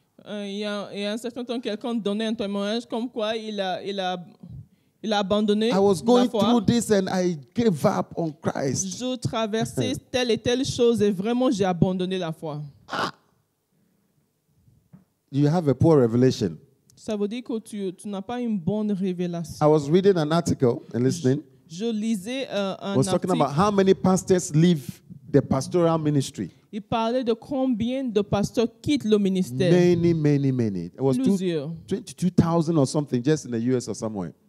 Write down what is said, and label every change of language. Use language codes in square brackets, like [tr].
[fr] Il y a un certain temps, quelqu'un donnait un témoignage comme quoi il a abandonné. [en] I was going [fr] la foi. [en] Through this and I gave up on Christ. [fr] Je traversais telle et telle chose et vraiment j'ai abandonné la foi. [en] You have a poor revelation. [fr] Ça veut dire que tu n'as pas une bonne révélation. [en] I was reading an article and listening. [fr] Je lisais un article. [en] I was talking about how many pastors leave the pastoral ministry. [fr] Il parlait de combien de pasteurs quittent le ministère. [en] Many, many, many. It was [fr] plusieurs. [en] 22,000 or something just in the US or somewhere.